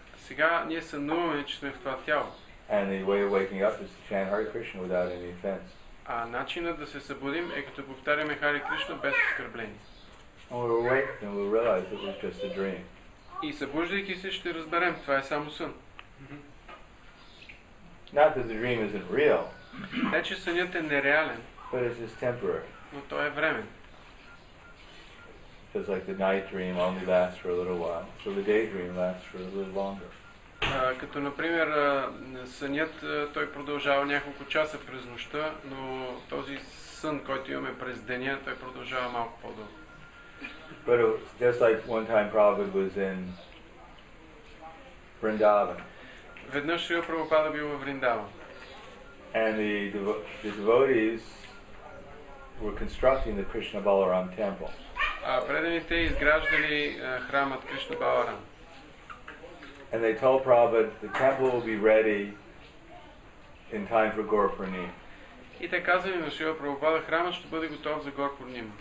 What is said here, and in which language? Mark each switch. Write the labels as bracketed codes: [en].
[bg] Сега ние сънуваме, че сме в това тяло. [en] And the way of waking up is to chant Hare Krishna without any offense. [bg] А начинът да се събудим е като повтаряме Hare Krishna без оскърбление. [en] And we're awake and we'll realize it was just a dream. [bg] И събуждайки се ще разберем, това е само сън. [en] Not that the dream isn't real. [bg] Не, че сънят е нереален. [en] But it's just temporary. [bg] Но то е времен. [en] Just like the night dream only lasts for a little while, so the day dream lasts for a little longer. [bg] Като например сънят, той продължава няколко часа през нощта, но този сън, който имаме през деня, той продължава малко по-дълго. [en] But just like one time Prabhupada was in Vrindavan. [bg] Веднъж Шрила Прабхупада бил във Вриндаван. [en] And the devotees were constructing the Krishna Balaram temple. [bg] Предените изграждали храмът Кришна Баларам. [en] And they told Prabhupada the temple will be ready in time for Gaur Purnima. [bg] И те казали на Шрила Прабхупада, храмът ще бъде готов за Гаур Пурнима.